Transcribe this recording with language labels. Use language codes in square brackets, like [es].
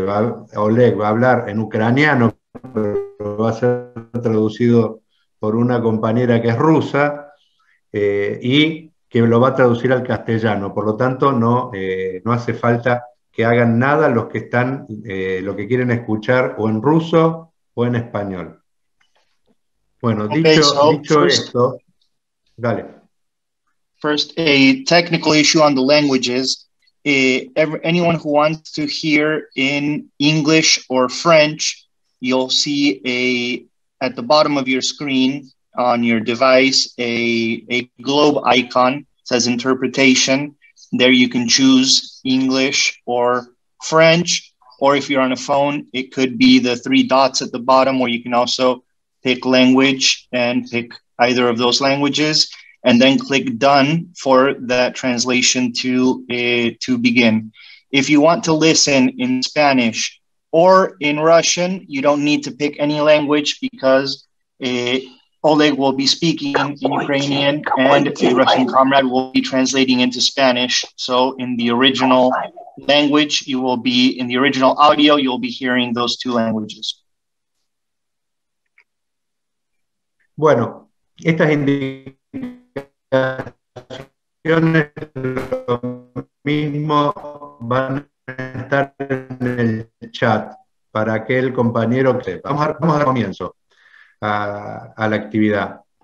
[es] Oleg va a hablar en ucraniano. Va a ser traducido por una compañera que es rusa y que lo va a traducir al castellano. Por lo tanto, no hace falta que hagan nada los que están, los que quieren escuchar o en ruso o en español. Bueno, [en] Okay, so [es] dicho esto, dale. [en] first a technical issue on the languages. Anyone who wants to hear in English or French, you'll see at the bottom of your screen on your device a globe icon. It says interpretation. There you can choose English or French, or if you're on a phone, it could be the three dots at the bottom where you can also pick language and pick either of those languages, and then click done for that translation to begin. If you want to listen in Spanish or in Russian, you don't need to pick any language because Oleg will be speaking in Ukrainian and a Russian comrade will be translating into Spanish. So in the original language, you will be in the original audio, you'll be hearing those two languages. [es] Bueno, estas indicaciones lo mismo van a estar en el chat para que el compañero que vamos a dar comienzo a la actividad.